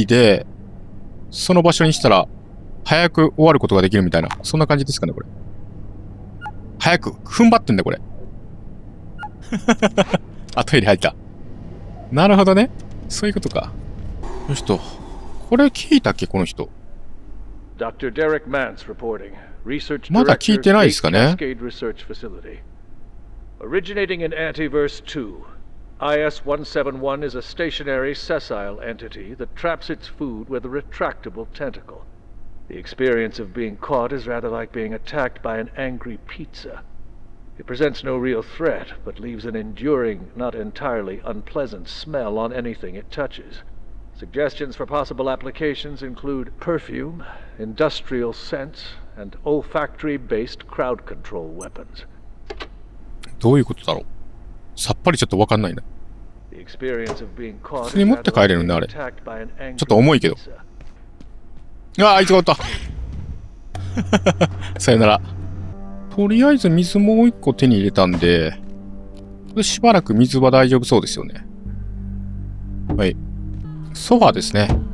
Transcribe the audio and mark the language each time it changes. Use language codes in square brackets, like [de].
[ja] E で、その場所にしたら、早く終わることができるみたいな。そんな感じですかね、これ。早く、踏ん張ってんだ、これ。あ、トイレ入った。なるほどね。そういうことか。よしと。これ聞いたっけ、この人。 [en] Dr. Derek Mance reporting. Research Director of Cascade Research Facility. Originating in Antiverse 2, IS-171 is a stationary sessile entity that traps its food with a retractable tentacle. The experience of being caught is rather like being attacked by an angry pizza. It presents no real threat, but leaves an enduring, not entirely unpleasant smell on anything it touches. Suggestions for possible applications include perfume, industrial scents, and olfactory-based crowd control weapons. [ja] どういうことだろう?さっぱりちょっとわかんないな。 [en] The [ja] 普通に持って帰れるんだ、あれ。ちょっと重いけど。ああ、いつが終わった。さよなら。とりあえず水もう一個手に入れたんで、しばらく水は大丈夫そうですよね。はい。ソファーですね。